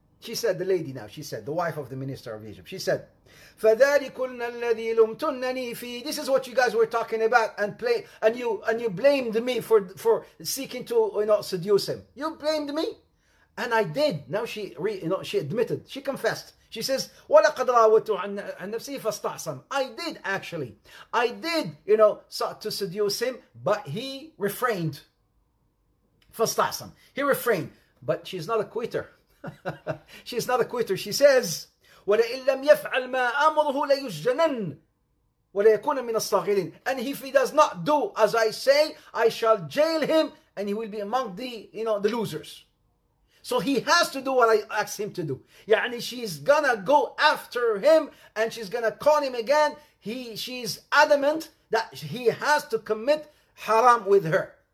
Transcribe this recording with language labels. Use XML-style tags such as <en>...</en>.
<en>She said, the lady now, she said, the wife of the minister of Egypt, she said,</en> <ar>فَذَلِكُنَّ الَّذِي لُمْتُنَّنِي فِي.</ar> <en>This is what you guys were talking about, and play, and you blamed me for seeking to, you know, seduce him. You blamed me? And I did. Now she, you know, she admitted, she confessed. She says,</en> <ar>وَلَقَدْ رَاوَتُ عَنْ نَفْسِي فَاسْتَعْصَمْ.</ar> <en>I did, actually. I did, you know, sought to seduce him, but he refrained.</en> <ar>فَاسْتَعْصَمْ.</ar> <en>He refrained. But she's not a quitter. She's not a quitter. She says,</en> <ar>وَلَئِنْ لَمْ يَفْعَلْ مَا أَمْرُهُ لَيُسْجَنَنَّ وَلَيَكُونَ مِنَ الصَّاغِرِينَ.</ar> <en>And if he does not do as I say, I shall jail him, and he will be among the, you know, the losers. So he has to do what I ask him to do. يعني she's gonna go after him and she's gonna call him again. She's adamant that he has to commit haram with her.</en>